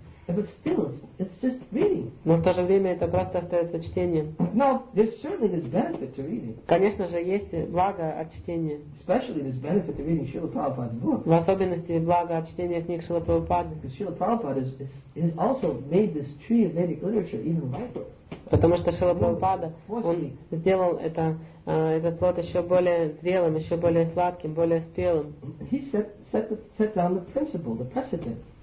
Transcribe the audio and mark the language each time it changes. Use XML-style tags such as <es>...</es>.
<en>But still, it's just reading.</en> <ru>Но в то же время это просто остается чтением.</ru> <en>Now, there certainly is benefit to reading.</en> <ru>Конечно же, есть благо от чтения.</ru> <en>Especially there's benefit to reading Srila Prabhupada's books.</en> <ru>В особенности благо от чтения книг Шрилы Прабхупады.</ru> <en>Because Srila Prabhupada has also made this tree of Vedic literature even vital.</en> <ru>Потому что Шрила Прабхупада, он сделал это, этот плод еще более зрелым, еще более сладким, более спелым.</ru> <en>He set down the principle, the precedent.</en>